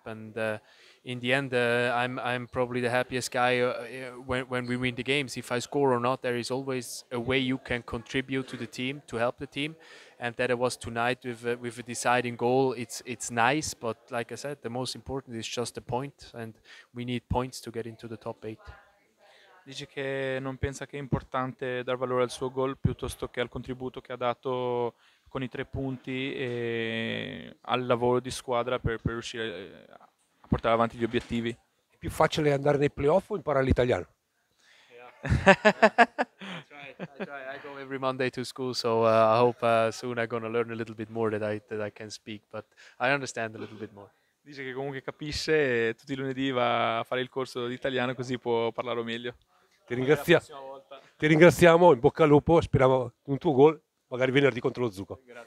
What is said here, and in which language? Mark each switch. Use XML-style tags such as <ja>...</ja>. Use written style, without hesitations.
<en>And in the end, I'm probably the happiest guy when we win the games. If I score or not, there is always a way you can contribute to the team, to help the team. And that it was tonight with a deciding goal. It's nice, but like I said, the most important is just the point. And we need points to get into the top eight.</en> <it>Dice che non pensa che è importante dar valore al suo gol piuttosto che al contributo che ha dato con i tre punti e al lavoro di squadra per riuscire a portare avanti gli obiettivi. È più facile andare nei playoff o imparare l'italiano?</it> <en>I go every Monday to school, so I hope soon I'm gonna learn a little bit more that I can speak, but I understand a little bit more.</en> <it>Dice che comunque capisce e tutti i lunedì va a fare il corso d'italiano così può parlarlo meglio. Ti ringraziamo, in bocca al lupo, speriamo un tuo gol magari venerdì contro lo Zucco.</it>